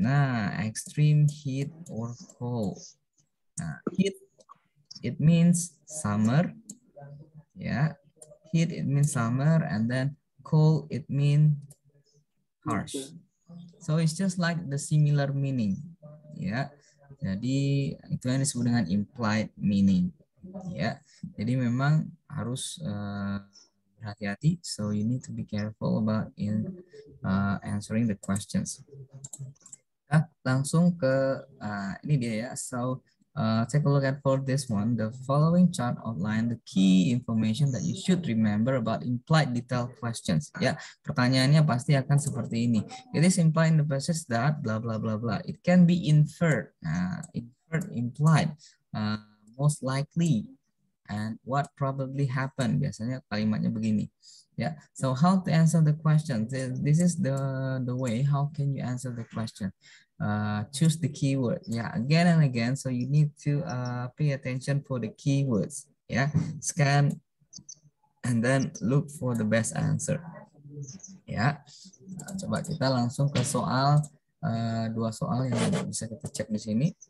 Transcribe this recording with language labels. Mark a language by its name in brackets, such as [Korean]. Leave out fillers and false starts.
[English] Nah, extreme heat or cold. Nah, heat it means summer. Ya. Heat it means summer, and then cold it means harsh. So it's just like the similar meaning, ya. [Indonesian] Jadi itu yang disebut dengan implied meaning, ya. Jadi memang harus hati-hati. [English] So you need to be careful about in answering the questions. [Indonesian] Nah, langsung ke ini dia ya. [English] So take a look at for this one. The following chart outline the key information that you should remember about implied detail questions. [Indonesian] Ya, pertanyaannya pasti akan seperti ini. [English] It is implied in the passage that blah blah blah blah. It can be inferred. Nah, inferred, implied, most likely, and what probably happened. [Indonesian] Biasanya kalimatnya begini. [English] Ya, so how to answer the question? This is the way. How can you answer the question? Choose the keyword, ya, yeah, again and again. So you need to pay attention for the keywords, ya. Yeah. Scan and then look for the best answer, ya. Yeah. [Indonesian] Coba kita langsung ke soal dua soal yang bisa kita cek di sini.